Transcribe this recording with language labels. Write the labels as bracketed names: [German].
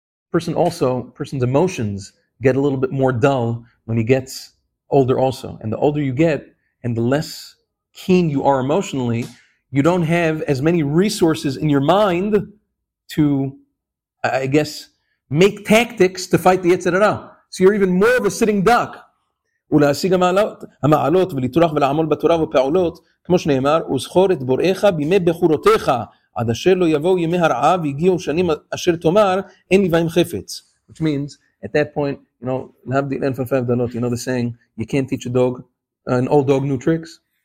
[English] Person's emotions get a little bit more dull when he gets older also. And the older you get, and the less keen you are emotionally, you don't have as many resources in your mind to, I guess, make tactics to fight the Yetzer Hara. So you're even more of a sitting duck. [Hebrew] ולהשיג המעלות ולתרוח ולעמול בתורה ופעולות, כמו שנאמר, וזכור את בוראיך בימי בחורותיך, עד אשר לא יבואו ימי הרעה והגיעו שנים אשר תאמר, אין לבעים חפץ. [English] Which means, at that point, you know, [Hebrew] להבדיל אין פלפי הבדלות, [English] you know the saying, you can't teach a dog, an old dog new tricks?